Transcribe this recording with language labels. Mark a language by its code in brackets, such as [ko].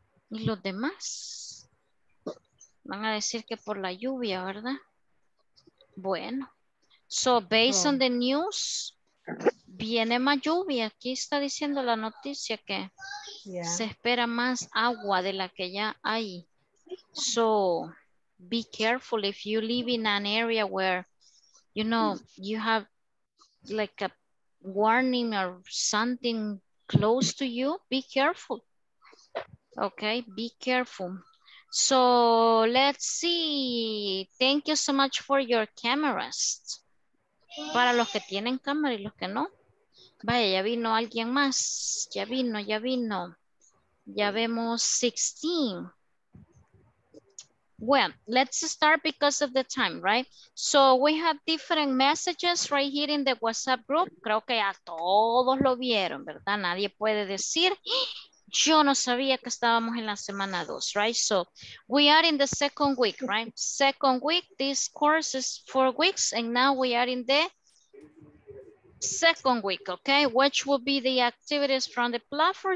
[es] Y los demás van a decir que por la lluvia, ¿verdad? [en] Bueno, so based on the news, [es] viene más lluvia. Aquí está diciendo la noticia que se espera más agua de la que ya hay. [en] So be careful if you live in an area where you know, you have like a warning or something close to you. Be careful. Okay, be careful. So let's see. Thank you so much for your cameras. [es] Para los que tienen cámara y los que no. Vaya, ya vino alguien más. Ya vino, ya vino. Ya vemos 16. [en] Well, let's start because of the time, right? So we have different messages right here in the WhatsApp group. [es] Creo que ya todos lo vieron, ¿verdad? Nadie puede decir, yo no sabía que estábamos en la semana 2, right? [en] So we are in the second week, right? Second week, this course is 4 weeks, and now we are in the second week, okay? Which will be the activities from the platform?